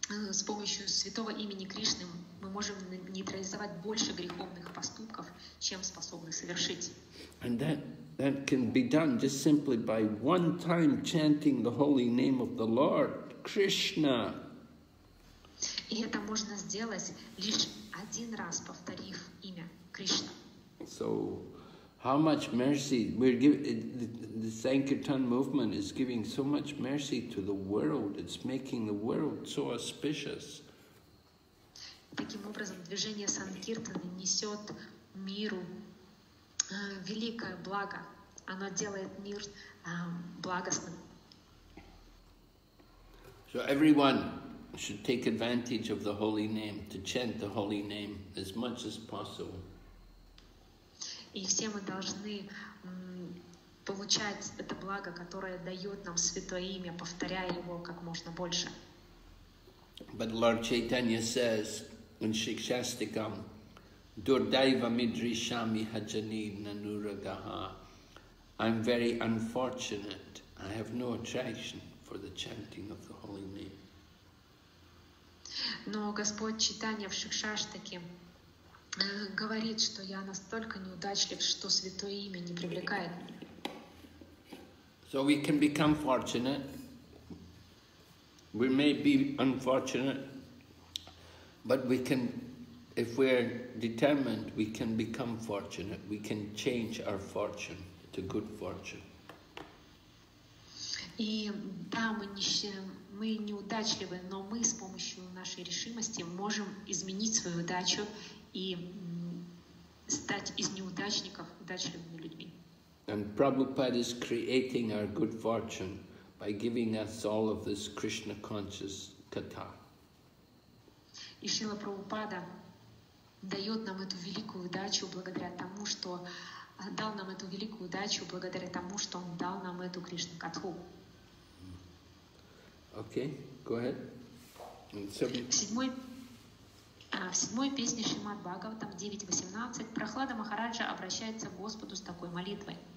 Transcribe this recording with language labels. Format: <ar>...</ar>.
<ru>С помощью святого имени Кришны мы можем нейтрализовать больше греховных поступков, чем способны совершить.</ru> <en>And that can be done just simply by one time chanting the holy name of the Lord, Krishna.</en> <ru>И это можно сделать лишь один раз, повторив имя Кришна.</ru> <en>So, how much mercy we're giving, the Sankirtan movement is giving so much mercy to the world, it's making the world so auspicious.</en> <ru>Таким образом, движение Санкиртаны несет миру великое благо. Оно делает мир благостным.</ru> <en>So everyone should take advantage of the holy name, to chant the holy name as much as possible.</en> <ru>И все мы должны получать это благо, которое дает нам Святое Имя, повторяя его как можно больше.</ru> <en>But Lord Chaitanya says in Shikshastikam,</en> <sa>Durdaiva Midrishami Hajani Nanuragaha.</sa> <en>I'm very unfortunate. I have no attraction for the chanting of the Holy Name.</en> <ru>Но Господь Чайтанья в Шикшаштике говорит, что я настолько неудачлив, что Святое Имя не привлекает меня.</ru> <en>So we can become fortunate. We may be unfortunate, but we can, if we're determined, we can become fortunate. We can change our fortune to good fortune.</en> <ru>И да, мы неудачливы, но мы с помощью нашей решимости можем изменить свою удачу и стать из неудачников удачливыми людьми.</ru> <en>And Prabhupada is creating our good fortune by giving us all of this Krishna conscious katha.</en> <ru>И Шрила Прабхупада дает нам эту великую удачу благодаря тому, что дал нам эту великую удачу благодаря тому, что он дал нам эту Кришна катху.</ru> <en>Okay, go ahead.</en> <ru>В седьмой песне Шримад Бхагаватам 9.18 Прохлада Махараджа обращается к Господу с такой молитвой.</ru>